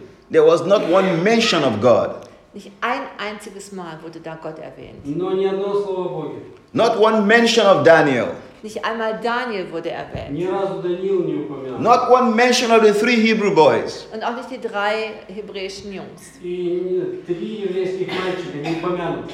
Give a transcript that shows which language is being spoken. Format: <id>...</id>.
<en>There was not one mention of God.</en> <de>Nicht ein einziges Mal wurde da Gott erwähnt.</de> <ru>Но ни одно слово о Боге.</ru> <en>Not one mention of Daniel.</en> <de>Nicht einmal Daniel wurde erwähnt.</de> <ru>Ни разу Даниил не упомянут.</ru> <en>Not one mention of the three Hebrew boys.</en> <de>Und auch nicht die drei hebräischen Jungs.</de> <ru>Три еврейских мальчика не упомянут.</ru>